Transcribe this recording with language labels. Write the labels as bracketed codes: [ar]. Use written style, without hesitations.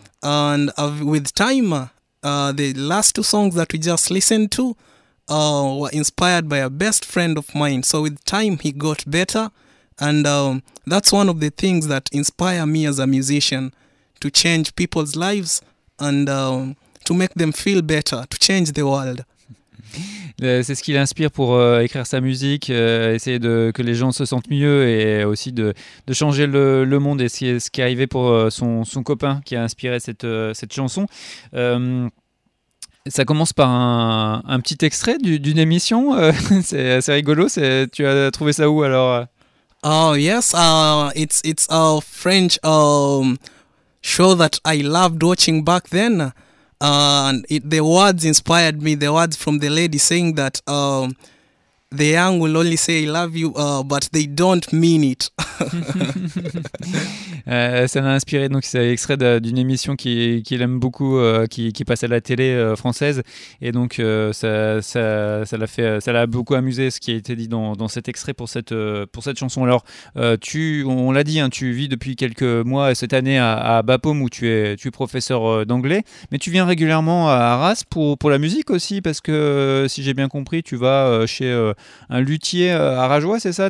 [en] And with time, the last two songs that we just listened to were inspired by a best friend of mine. So with time, he got better. And that's one of the things that inspire me as a musician, to change people's lives and to make them feel better, to change the world. [fr] C'est ce qui l'inspire pour écrire sa musique, essayer de que les gens se sentent mieux et aussi de changer le monde. Et c'est ce qui est arrivé pour son copain qui a inspiré cette chanson. Ça commence par un petit extrait d'une émission. C'est assez rigolo. Tu as trouvé ça où alors? [en] Oh yes, it's a French show that I loved watching back then. The words inspired me. The words from the lady saying that the young will only say I love you, but they don't mean it. [fr] ça m'a inspiré. Donc c'est extrait d'une émission qui aime beaucoup, qui passe à la télé française, et donc ça l'a beaucoup amusé ce qui a été dit dans cet extrait pour cette chanson. Alors on l'a dit, hein, tu vis depuis quelques mois cette année à Bapaume où tu es professeur d'anglais, mais tu viens régulièrement à Arras pour la musique aussi, parce que si j'ai bien compris, tu vas chez un luthier arageois, c'est ça?